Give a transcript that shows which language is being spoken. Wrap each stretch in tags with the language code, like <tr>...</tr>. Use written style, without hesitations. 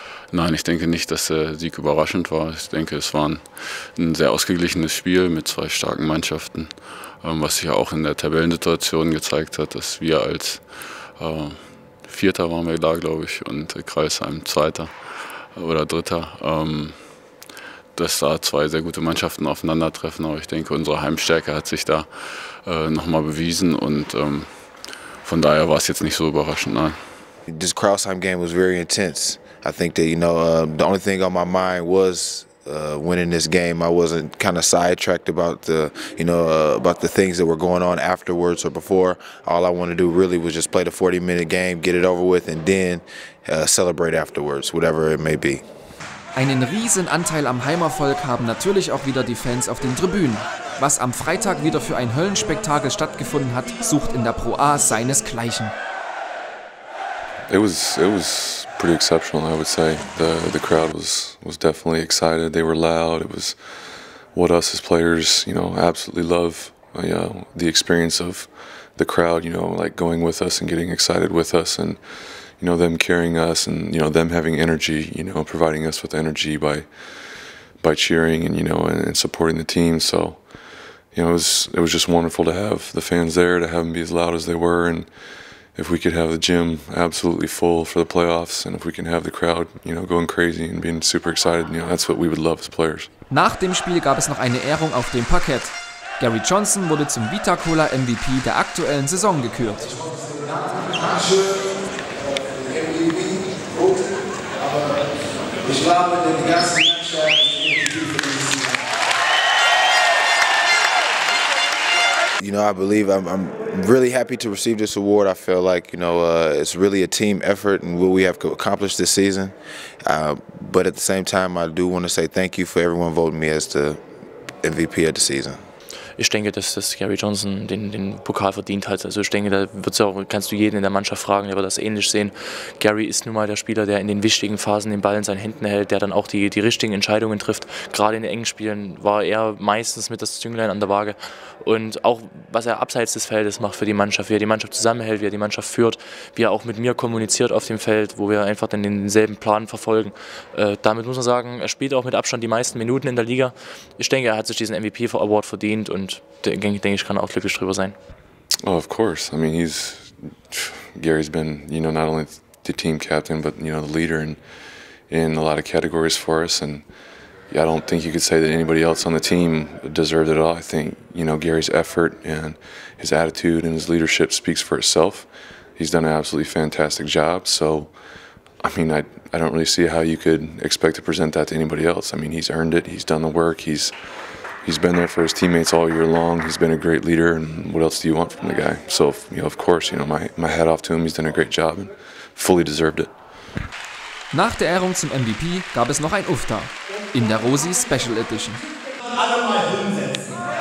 <de>Nein, ich denke nicht, dass der Sieg überraschend war. Ich denke, es war ein sehr ausgeglichenes Spiel mit 2 starken Mannschaften, was sich ja auch in der Tabellensituation gezeigt hat, dass wir als Vierter waren wir da, glaube ich, und Greisheim Zweiter. oder Dritter, dass da zwei sehr gute Mannschaften aufeinandertreffen. Aber ich denke, unsere Heimstärke hat sich da nochmal bewiesen und von daher war es jetzt nicht so überraschend, nein.</de> <en>This Crailsheim game was very intense. I think that, you know, the only thing on my mind was winning this game. I wasn't kind of sidetracked about the, you know, about the things that were going on afterwards or before. All I wanted to do really was just play the 40-minute game, get it over with, and then celebrate afterwards, whatever it may be.</en> <de>Einen riesen Anteil am Heimerfolg haben natürlich auch wieder die Fans auf den Tribünen. Was am Freitag wieder für ein Höllenspektakel stattgefunden hat, sucht in der Pro A seinesgleichen.</de> <en>It was pretty exceptional, I would say. The crowd was definitely excited. They were loud. It was what us as players, you know, absolutely love. You know, the experience of the crowd, you know, like going with us and getting excited with us, and you know, them carrying us, and you know, them having energy, you know, providing us with energy by cheering and, you know, and supporting the team. So, you know, it was just wonderful to have the fans there, to have them be as loud as they were. And if we could have the gym absolutely full for the playoffs and if we can have the crowd, you know, going crazy and being super excited, you know, that's what we would love as players.</en> <de>Nach dem Spiel gab es noch eine Ehrung auf dem Parkett. Gary Johnson wurde zum Vita Cola MVP der aktuellen Saison gekürt.</de> <en>You know, I believe I'm really happy to receive this award. I feel like, you know, it's really a team effort and what we have accomplished this season. But at the same time, I do want to say thank you for everyone voting me as the MVP of the season.</en> <de>Ich denke, dass Gary Johnson den Pokal verdient hat. Also ich denke, da wird's auch, kannst du jeden in der Mannschaft fragen, der wird das ähnlich sehen. Gary ist nun mal der Spieler, der in den wichtigen Phasen den Ball in seinen Händen hält, der dann auch die richtigen Entscheidungen trifft. Gerade in den engen Spielen war er meistens mit das Zünglein an der Waage. Und auch, was er abseits des Feldes macht für die Mannschaft, wie er die Mannschaft zusammenhält, wie er die Mannschaft führt, wie er auch mit mir kommuniziert auf dem Feld, wo wir einfach dann denselben Plan verfolgen. Damit muss man sagen, er spielt auch mit Abstand die meisten Minuten in der Liga. Ich denke, er hat sich diesen MVP-Award verdient und denke ich, kann auch glücklich drüber sein.</de> <en>Oh, of course. I mean, Gary's been, you know, not only the team captain, but, you know, the leader in a lot of categories for us. And yeah, I don't think you could say that anybody else on the team deserved it at all. I think, you know, Gary's effort and his attitude and his leadership speaks for itself. He's done an absolutely fantastic job. So, I mean, I don't really see how you could expect to present that to anybody else. I mean, he's earned it. He's done the work. He's been there for his teammates all year long. He's been a great leader, and what else do you want from the guy? So, you know, of course, you know, my hat off to him. He's done a great job and fully deserved it.</en> <de>Nach der Ehrung zum MVP gab es noch ein Uftar in der Rosi Special Edition. Alle mal hinsetzen.</de>